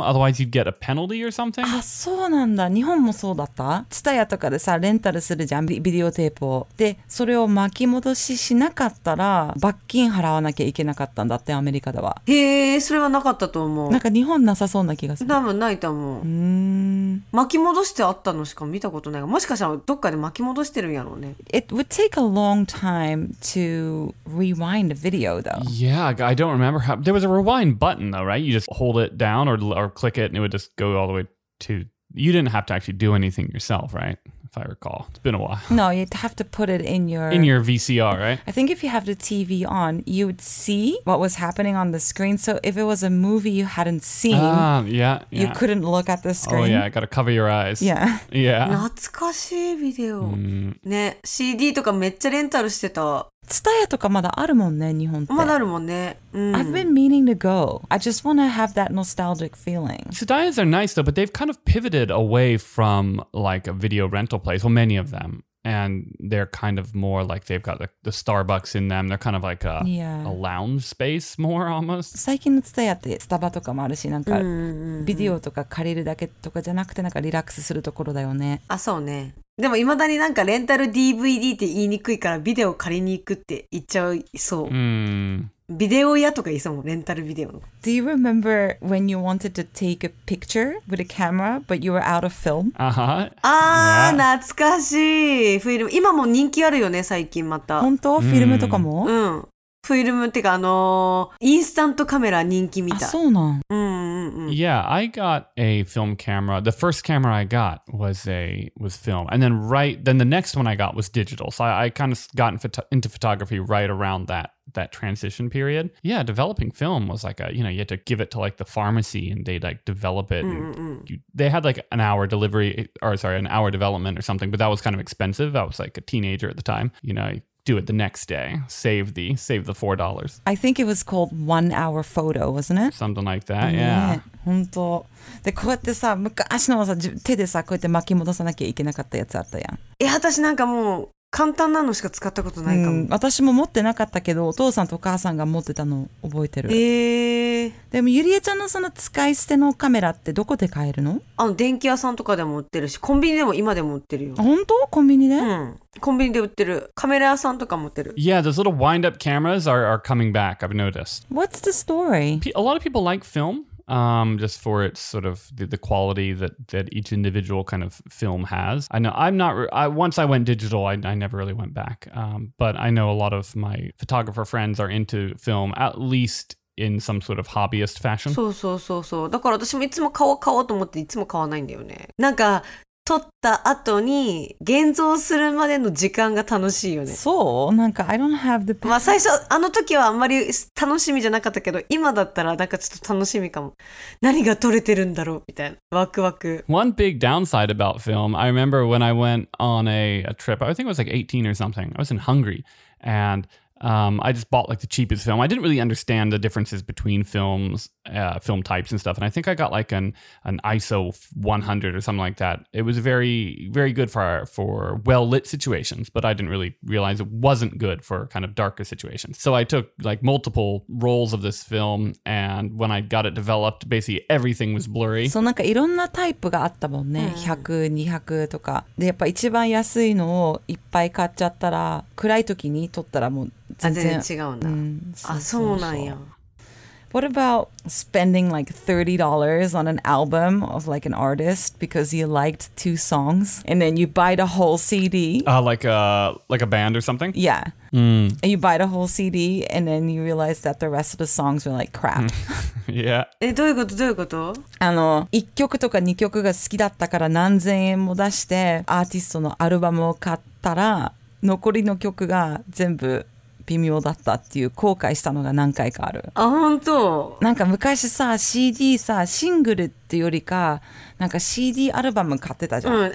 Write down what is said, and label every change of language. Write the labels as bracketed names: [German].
[English] Otherwise, you'd get a penalty or something. [Japanese] あ、そうなんだ。日本もそうだった？ツタヤとかでさ、レンタルするじゃん、ビデオテープを。で、それを巻き戻ししなかったら、罰金払わなきゃいけなかったんだって、アメリカでは。へぇ、それはなかったと思う。なんか日本なさそうな気がする。多分ないと思う。巻き戻してあったのしか見たことない。もしかしたらどっかで巻き戻してるんやろうね。 [English] It would take a long time to rewind. The video though. Yeah, I don't remember how. There was a rewind button though, right? You just hold it down or click it and it would just go all the way to. You didn't have to actually do anything yourself, right? If I recall. It's been a while. No, you'd have to put it in your... In your VCR, right? I think if you have the TV on, you would see what was happening on the screen. So if it was a movie you hadn't seen, yeah, you yeah. couldn't look at the screen. Oh, yeah. Got to cover your eyes. Yeah. Yeah. [Japanese] 懐かしいビデオ。ね、CD とかめっちゃレンタルしてた。 TSUTAYA とかまだあるもんね、日本って。まだあるもんね。 [English] I've been meaning to go. I just want to have that nostalgic feeling. TSUTAYAs are nice though, but they've kind of pivoted away from like a video rental place. Well, many of them. And they're kind of more like they've got the Starbucks in them. They're kind of like a lounge space more almost. [Japanese] 最近の TSUTAYA ってスタバとかもあるし、なんかビデオとか借りるだけとかじゃなくてなんかリラックスするところだよね。あ、そうね。でも未だになんかレンタル DVD って言いにくいからビデオ借りに行くって言っちゃいそう。ビデオ屋とかいそうもん、レンタルビデオの。 [English] Do you remember when you wanted to take a picture with a camera but you were out of film? [Japanese] Uh-huh. ああ、懐かしい。フィルム。今も人気あるよね、最近また。本当？フィルムとかも？うん。フィルムっていうか、インスタントカメラ人気みたい。あ、そうなん。 [English] Yeah, I got a film camera. The first camera I got was film. And then the next one I got was digital. So I kind of got into photography right around that transition period. Yeah, developing film was like you had to give it to like the pharmacy and they'd like develop it. They had like an hour development or something, but that was kind of expensive. I was like a teenager at the time, you know. Do it the next day. Save the $4. I think it was called 1 hour photo, wasn't it? Something like that, yeah. [Japanese] ほんと。で、こうやってさ、昔のさ、手でさ、こうやって巻き戻さなきゃいけなかったやつあったやん。いや、私なんかもう、簡単なのしか使ったことないかも。私も持ってなかったけど、お父さんとお母さんが持ってたの覚えてる。でも、ゆりえちゃんのその使い捨てのカメラってどこで買えるの？電気屋さんとかでも売ってるし、コンビニでも今でも売ってるよ。本当？コンビニで？うん。コンビニで売ってる。カメラ屋さんとかも売ってる。 [English] Yeah, those little wind-up cameras are coming back, I've noticed. What's the story? A lot of people like film. Just for its sort of the quality that each individual kind of film has. I know I'm not, once I went digital, I never really went back. But I know a lot of my photographer friends are into film, at least in some sort of hobbyist fashion. [Japanese] そうそうそうそう。だから私もいつも買おうと思っていつも買わないんだよね。なんか撮った後に現像するまでの時間が楽しいよね。そう？なんか [English] I don't have the... [Japanese] まあ最初あの時はあんまり楽しみじゃなかったけど、今だったらなんかちょっと楽しみかも。何が撮れてるんだろうみたいな。ワクワク。 [English] One big downside about film, I remember when I went on a trip, I think it was like 18 or something, I was in Hungary, andI just bought like the cheapest film. I didn't really understand the differences between films, film types and stuff. And I think I got like an ISO 100 or something like that. It was very, very good for well-lit situations, but I didn't really realize it wasn't good for kind of darker situations. So I took like multiple rolls of this film. And when I got it developed, basically everything was blurry. [Japanese] So なんかいろんなタイプがあったもんね。100、200とか。で、やっぱ一番安いのをいっぱい買っちゃったら、暗い時に撮ったらもう全然違うんだ。あ、そうなんや。 [English] What about spending like $30 on an album of like an artist because you liked two songs and then you buy the whole CD? Like a band or something? Yeah. Mm. And you buy the whole CD and then you realize that the rest of the songs were like crap. Yeah. [Japanese] どういうこと？どういうこと？一曲とか二曲が好きだったから何千円も出してアーティストのアルバムを買ったら残りの曲が全部微妙だったっていう後悔したのが何回かある。あ、本当。なんか昔さ、CD さ、シングルってよりか、なんか CD アルバム買ってたじゃん。